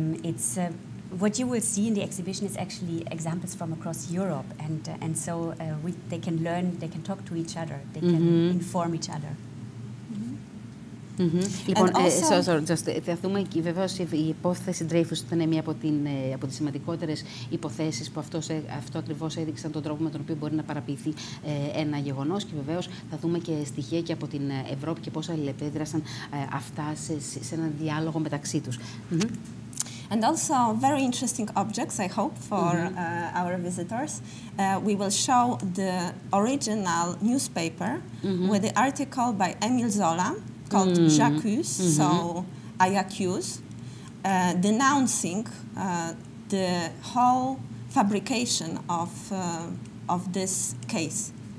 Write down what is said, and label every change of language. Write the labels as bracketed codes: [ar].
[en] It's what you will see in the exhibition is actually examples from across Europe, and so they can learn, they can talk to each other, they can inform each other. [el] Λοιπόν, θα δούμε και βεβαίως η υπόθεση Dreyfus ήταν μία από τις σημαντικότερες υποθέσεις που αυτό ακριβώς έδειξαν τον τρόπο με τον οποίο μπορεί να παραποιηθεί ένα γεγονός και βεβαίως θα δούμε και στοιχεία και από την Ευρώπη και πώς αλληλεπίδρασαν αυτά σε έναν διάλογο μεταξύ τους. [en] And also very interesting objects, I hope, for our visitors. We will show the original newspaper with the article by Emile Zola called J'accuse, so I accuse, denouncing the whole fabrication of this case.